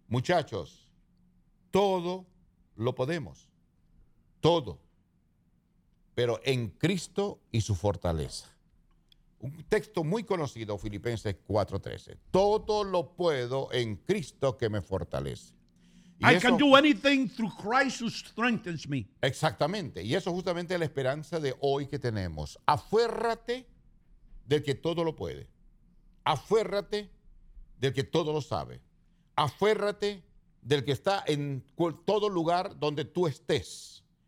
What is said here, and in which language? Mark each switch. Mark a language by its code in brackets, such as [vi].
[es] Muchachos, todo lo podemos. Todo, pero en Cristo y su fortaleza. Un texto muy conocido, Filipenses 4:13. Todo lo puedo en Cristo que me fortalece. Y [en] I can do anything through Christ who strengthens me. [es] Exactamente. Y eso justamente es la esperanza de hoy que tenemos. Aférrate del que todo lo puede. Aférrate del que todo lo sabe. Aférrate del que está en todo lugar donde tú estés.